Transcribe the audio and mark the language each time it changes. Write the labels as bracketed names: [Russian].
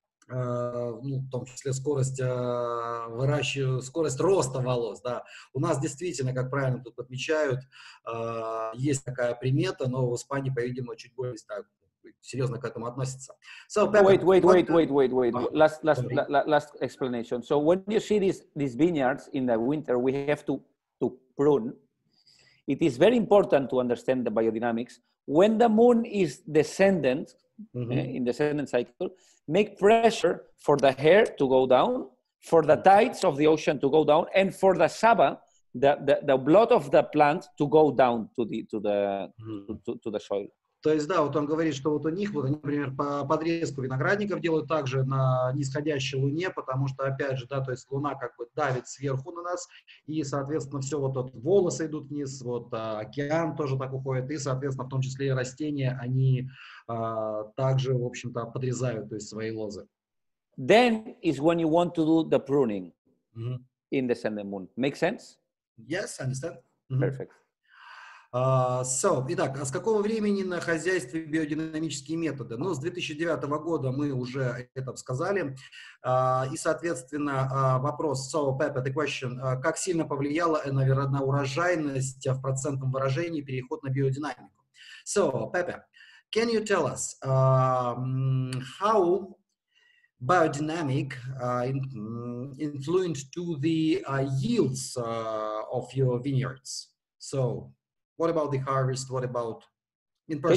[Russian] ну, в том числе скорость выращивания, скорость роста волос, да. У нас действительно, как правильно тут отмечают, есть такая примета, но в Испании, по-видимому, чуть более так, серьезно к этому относится. [English] So, Pepe, wait. Last explanation. So when you see these vineyards in the winter, we have to prune. It is very important to understand the biodynamics. When the moon is descendant, in the descendant cycle, make pressure for the hair to go down, for the tides of the ocean to go down, and for the saba, the blood of the plant to go down to the soil. [Russian] То есть, да, вот он говорит, что вот у них, вот они, например, по подрезку виноградников делают также на нисходящей луне, потому что, опять же, да, то есть луна как бы давит сверху на нас, и, соответственно, все вот тут волосы идут вниз, вот океан тоже так уходит, и, соответственно, в том числе и растения, они также, в общем-то, подрезают, то есть свои лозы. [English] Then is when you want to do the pruning in the descending moon. Make sense? Yes, understand. Mm-hmm. Perfect. [Russian] Итак, а с какого времени на хозяйстве биодинамические методы? Ну, с 2009 года мы уже это сказали. И, соответственно, вопрос, [English] so, Pepe, the question, [Russian] как сильно повлияла, наверное, на урожайность в процентном выражении переход на биодинамику? [English] So, Pepe, can you tell us how biodynamic influenced to the yields of your vineyards? So, what about the harvest? What about in person?